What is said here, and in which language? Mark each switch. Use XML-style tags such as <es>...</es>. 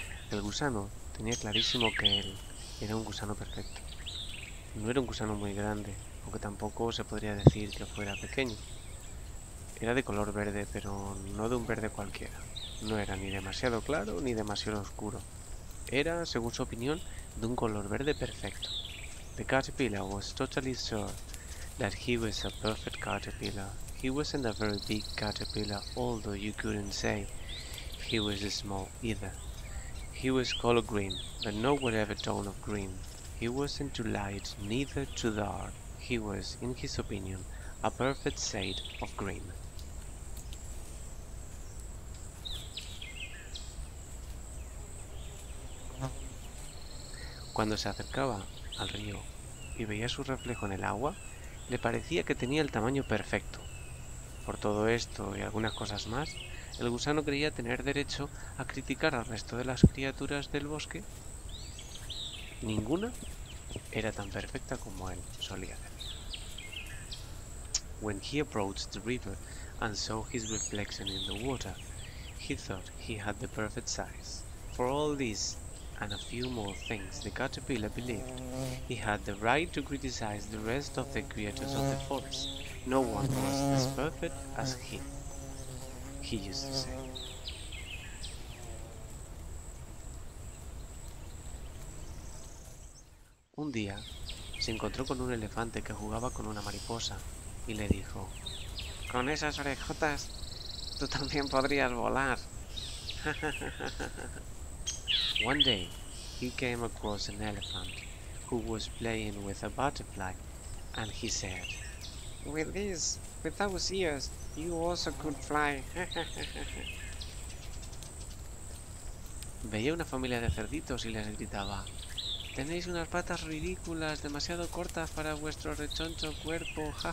<es>El gusano tenía clarísimo que él era un gusano perfecto. No era un gusano muy grande, aunque tampoco se podría decir que fuera pequeño. Era de color verde, pero no de un verde cualquiera. No era ni demasiado claro ni demasiado oscuro. Era, según su opinión, de un color verde perfecto.</es> <en>The caterpillar was totally sure that he was a perfect caterpillar. He wasn't a very big caterpillar, although you couldn't say he was small either. He was color green, but no whatever tone of green. He wasn't too light, neither too dark. He was, in his opinion, a perfect shade of green.</en> <es>Cuando se acercaba al río y veía su reflejo en el agua, le parecía que tenía el tamaño perfecto. Por todo esto y algunas cosas más, el gusano creía tener derecho a criticar al resto de las criaturas del bosque. Ninguna era tan perfecta como él solía ser.</es> <en>When he approached the river and saw his reflection in the water, he thought he had the perfect size. For all this and a few more things, the caterpillar believed he had the right to criticize the rest of the creatures of the forest. No one was as perfect as he. He used to say.</en> <es>Un día se encontró con un elefante que jugaba con una mariposa y le dijo: con esas orejotas, tú también podrías volar.</es> <en>One day he came across an elephant who was playing with a butterfly and he said, with this, with those ears, you also could fly.</en> <es>Veía una familia de cerditos y les gritaba: tenéis unas patas ridículas, demasiado cortas para vuestro rechoncho cuerpo.</es>